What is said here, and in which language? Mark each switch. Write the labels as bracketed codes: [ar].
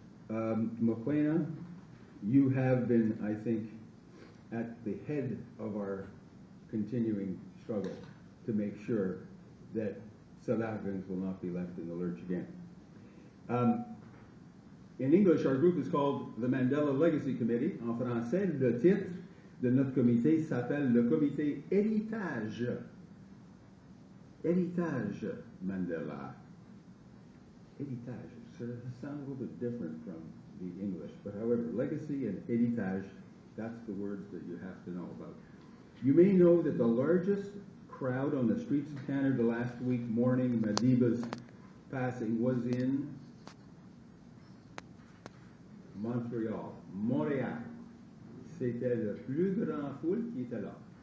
[en] Mokuena, you have been, I think, at the head of our continuing struggle to make sure that South Africans will not be left in the lurch again. In English, our group is called the Mandela Legacy Committee. [fr] En français, le titre de notre comité s'appelle le comité héritage. Héritage Mandela. Héritage. [en] So it sounds a little bit different from the English. But however, legacy and héritage, that's the words that you have to know about. You may know that the largest crowd on the streets of Canada last week mourning Madiba's passing was in Montreal, Montréal. [fr] C'était la plus grande foule qui était là.